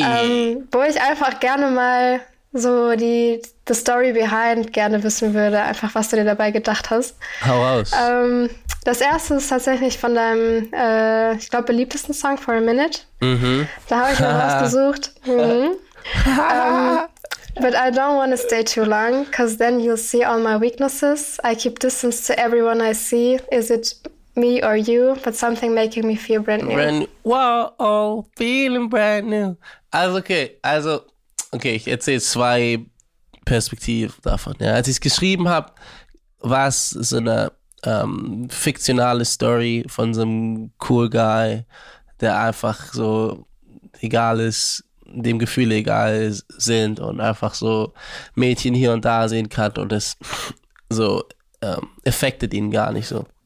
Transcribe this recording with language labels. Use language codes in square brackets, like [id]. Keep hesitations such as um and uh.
[de] ähm, wo ich einfach gerne mal so die [en] the Story behind [de] gerne wissen würde, einfach was du dir dabei gedacht hast. Hau raus. Ähm, das erste ist tatsächlich von deinem, äh, ich glaube, beliebtesten Song, For a Minute. mhm. Da habe ich mir rausgesucht. Mhm. [en] ähm, but I don't want to stay too long, because then you'll see all my weaknesses. I keep distance to everyone I see. Is it me or you? But something making me feel brand new. Brand new. Wow, oh, feeling brand new. [de] Also, okay, also, okay, ich erzähle zwei Perspektiven davon. Ja. Als ich es geschrieben habe, war es so eine ähm, fiktionale Story von so einem cool Guy, der einfach so egal ist, dem Gefühle egal s- sind und einfach so Mädchen hier und da sehen kann und das so ähm, affected ihn gar nicht so.